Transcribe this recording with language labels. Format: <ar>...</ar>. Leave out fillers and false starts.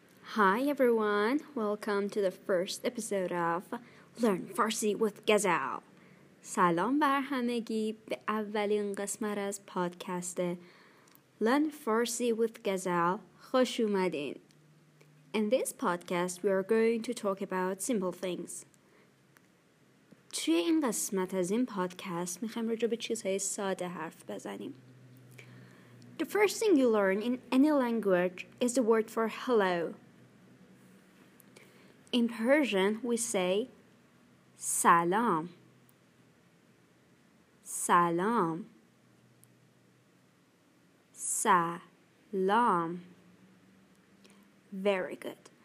<en>Hi everyone, welcome to the first episode of Learn Farsi with Ghazal.</en> <fa>سلام بر همگی به اولین قسمت از پادکست Learn Farsi with Ghazal. خوش اومدین.</fa> <en>In this podcast we are going to talk about simple things.</en> <fa>توی این قسمت از این پادکست میخوایم راجع به چیزهای ساده حرف بزنیم.</fa> <en>The first thing you learn in any language is the word for hello. In Persian, we say salam, salam, salam. Very good.</en>